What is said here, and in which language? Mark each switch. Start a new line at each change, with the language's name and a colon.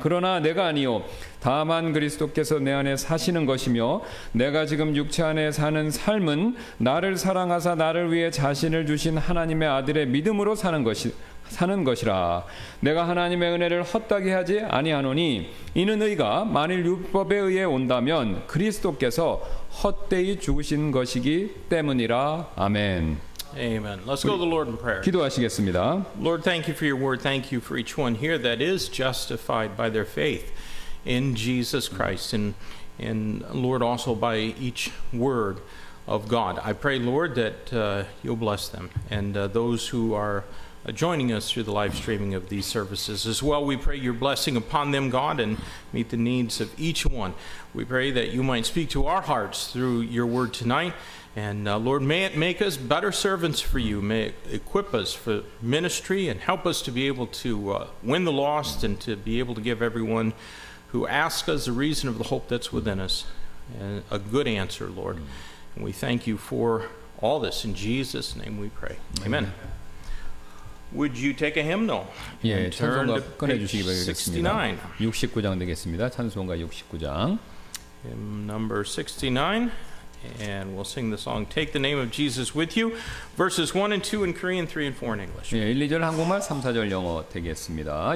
Korean: 그러나 내가 아니요 다만 그리스도께서 내 안에 사시는 것이며 내가 지금 육체 안에 사는 삶은 나를 사랑하사 나를 위해 자신을 주신 하나님의 아들의 믿음으로 사는 것이라. 내가 하나님의 은혜를 헛되게 하지 아니하노니 이는 의가 만일 율법에 의해 온다면 그리스도께서 헛되이 죽으신 것이기 때문이라. 아멘.
English: Amen. Let's go to the Lord in prayer.
Korean: 기도하시겠습니다.
English: Lord, thank you for your word. Thank you for each one here that is justified by their faith in Jesus Christ and Lord also by each word of God. I pray, Lord, that you'll bless them and those who are joining us through the live streaming of these services as well. We pray your blessing upon them, God, and meet the needs of each one. We pray that you might speak to our hearts through your word tonight. And Lord, may it make us better servants for you. May it equip us for ministry and help us to be able to win the lost and to be able to give everyone who asks us the reason of the hope that's within us a good answer, Lord. And we thank you for all this. In Jesus' name we pray. Amen. Would you take a hymnal?
Korean: 예, 찬송가 꺼내 주시기 바라겠습니다. 69장 되겠습니다. 찬송가 69장.
English: Hymn number 69 and we'll sing the song Take the Name of Jesus with You verses 1 and 2 in Korean, 3 and 4 in English.
Korean: 예, 1, 2절 한국말, 3, 4절 영어 되겠습니다.